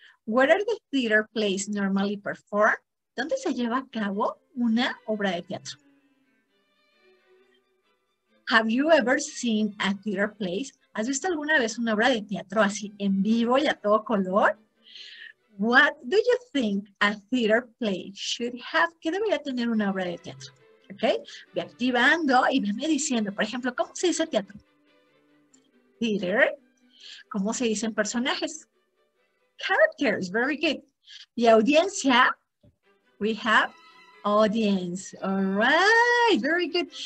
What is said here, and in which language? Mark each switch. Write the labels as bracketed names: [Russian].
[English] Where are the theater plays normally performed? [Spanish] ¿Dónde se lleva a cabo una obra de teatro? [English] Have you ever seen a theater play? [Spanish] ¿Has visto alguna vez una obra de teatro así en vivo y a todo color? [English] What do you think a theater play should have? [Spanish] ¿Qué debería tener una obra de teatro? ¿Ok? Ve activando y veme diciendo, por ejemplo, ¿cómo se dice teatro? Theater. ¿Cómo se dicen personajes? Characters. [English] Very good. [Spanish] Y audiencia. [English] We have audience. All right. Very good.